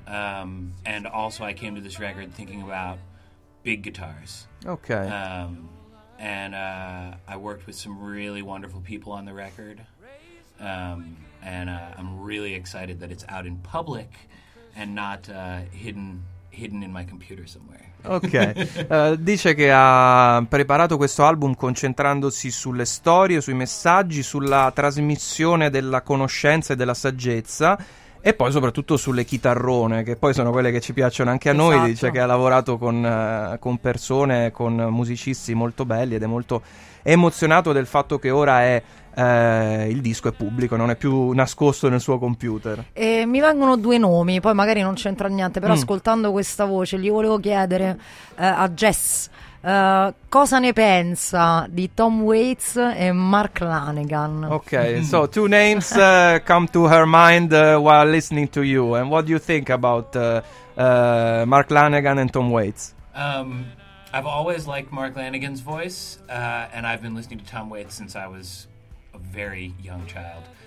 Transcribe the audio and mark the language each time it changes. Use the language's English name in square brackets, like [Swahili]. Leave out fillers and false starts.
[English] And also, I came to this record thinking about big guitars. Okay. I worked with some really wonderful people on the record. I'm really excited that it's out in public and not hidden in my computer somewhere. [Italian] Ok, dice che ha preparato questo album concentrandosi sulle storie, sui messaggi, sulla trasmissione della conoscenza e della saggezza e poi soprattutto sulle chitarrone, che poi sono quelle che ci piacciono anche a esatto. noi. Dice che ha lavorato con persone, con musicisti molto belli ed è molto emozionato del fatto che ora è il disco è pubblico, non è più nascosto nel suo computer. E mi vengono due nomi, poi magari non c'entra niente, però ascoltando questa voce gli volevo chiedere a Jess cosa ne pensa di Tom Waits e Mark Lanegan. [English] Ok, so two names come to her mind while listening to you, and what do you think about Mark Lanegan and Tom Waits? I've always liked Mark Lanegan's voice, and I've been listening to Tom Waits since I was a very young child.